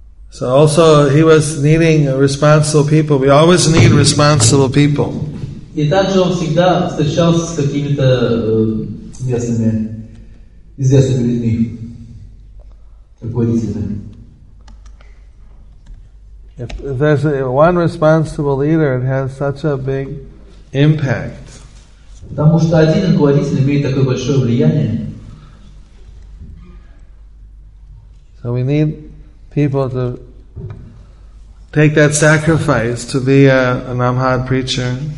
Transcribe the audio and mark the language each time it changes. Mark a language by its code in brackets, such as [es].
[en] So also he was needing responsible people. We always need responsible people. [ru] И также он всегда встречался с какими-то известными людьми, руководителями. [en] If there's one responsible leader, it has such a big impact. [ru] Потому что один руководитель имеет такое большое влияние. [en] So we need people to take that sacrifice to be a Namhad preacher.